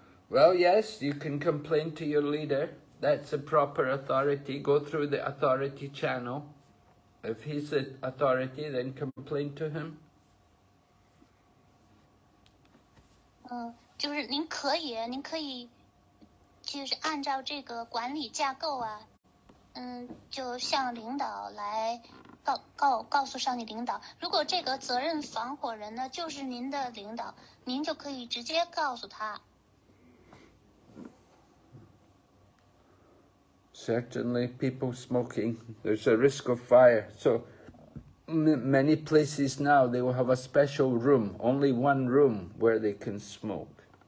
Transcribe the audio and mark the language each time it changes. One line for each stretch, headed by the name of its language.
English: Well, yes, you can complain to your leader. That's a proper authority. Go through the authority channel. If he's the authority, then complain to him.
Chinese: 就是您可以就是按照这个管理架构啊，就向领导来告诉上级领导，如果这个责任防火人呢就是您的领导，您就可以直接告诉他。
English: Certainly, people smoking, there's a risk of fire. So many places now, they will have a special room, only one room where they can smoke.